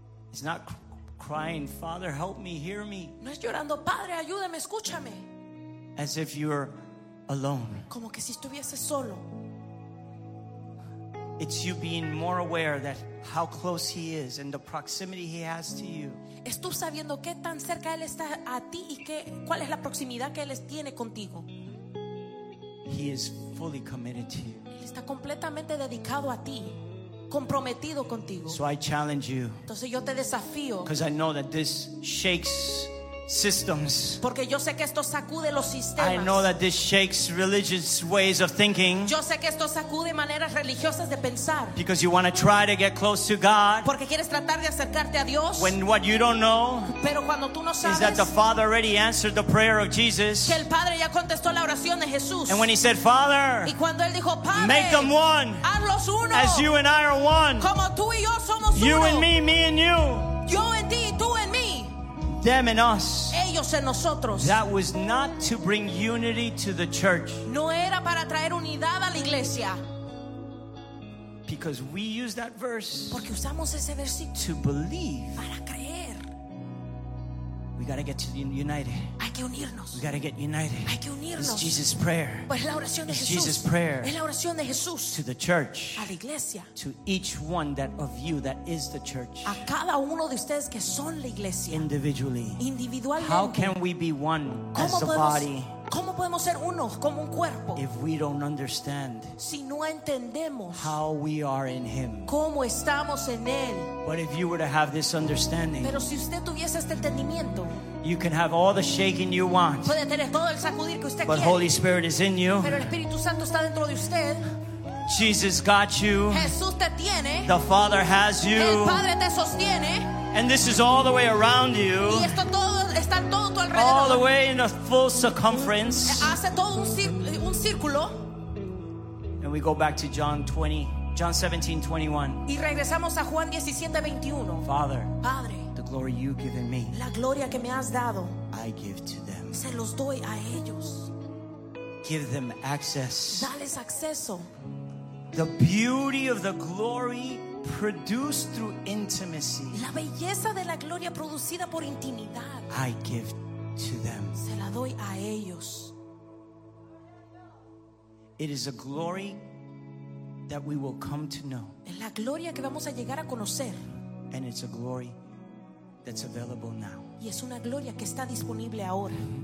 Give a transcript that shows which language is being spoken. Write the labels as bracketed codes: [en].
[en] It's not crying, Father, help me, hear me. [es] No es llorando, Padre, ayúdame, escúchame. [en] As if you're alone. [es] Como que si estuviese solo. [en] It's you being more aware that how close he is and the proximity he has to you. [es] Es tú sabiendo qué tan cerca él está a ti y qué cuál es la proximidad que él tiene contigo. [en] He is fully committed to you. [es] Él está completamente dedicado a ti. Comprometido contigo. [en] So I challenge you. [es] Entonces yo te desafío. [en] Because I know that this shakes systems. [es] Porque yo sé que esto sacude los sistemas. [en] I know that this shakes religious ways of thinking. [es] Yo sé que esto sacude maneras religiosas de pensar. [en] Because you want to try to get close to God. [es] Porque quieres tratar de acercarte a Dios. [en] When what you don't know. [es] Pero cuando tú no sabes. [en] Is that the Father already answered the prayer of Jesus? [es] Que el Padre ya contestó la oración de Jesús. [en] And when he said Father. [es] Y cuando él dijo Padre. [en] Make them one. [es] Hazlos uno. [en] As you and I are one. [es] Como tú y yo somos [en] you [es] uno. [en] You and me, me and you. [es] Yo en ti y tú en mí. [en] them and us. [es] Ellos en nosotros. [en] That was not to bring unity to the church. [es] No era para traer unidad a la iglesia. [en] Because we use that verse. [es] Porque usamos ese versículo. [en] To believe. [es] Para creer. [en] We gotta get united. [es] Hay que unirnos. [en] We gotta get united. [es] Hay que unirnos. [en] It's Jesus' prayer. [es] Pues la oración de [en] It's [es] Jesús. [en] Jesus' prayer. [es] Es la oración de Jesús. [en] To the church. [es] A la iglesia. [en] To each one that of you that is the church. [es] A cada uno de ustedes que son la iglesia. [en] Individually. [es] Individualmente. [en] How can we be one as the body? [es] ¿Cómo podemos ser uno como un cuerpo? [en] If we don't understand [es] si no entendemos [en] how we are in him. [es] ¿Cómo estamos en él? [en] But if you were to have this understanding, [es] pero si usted tuviese este entendimiento, [en] you can have all the shaking you want. [es] Puede tener todo el sacudir que usted [en] but [es] quiere. [en] Holy Spirit is in you. [es] Pero el Espíritu Santo está dentro de usted. [en] Jesus got you. [es] Jesús te tiene. [en] The Father has you. [es] El Padre te sostiene. [en] And this is all the way around you. [es] Y esto todo, está todo tu alrededor. [en] All the way in a full circumference. [es] Hace todo un círculo. [en] And we go back to John 17:21. [es] Y regresamos a Juan 17:21. [en] Father, [es] Padre, [en] the glory you've given me, [es] la gloria que me has dado, [en] I give to them. [es] Se los doy a ellos. [en] Give them access. [es] Dales acceso. [en] The beauty of the glory produced through intimacy. [es] La belleza de la gloria producida por intimidad. [en] I give to them. [es] Se la doy a ellos. [en] It is a glory that we will come to know. [es] Es la gloria que vamos a llegar a conocer. [en] And it's a glory that's available now. [es] Y es una gloria que está disponible ahora.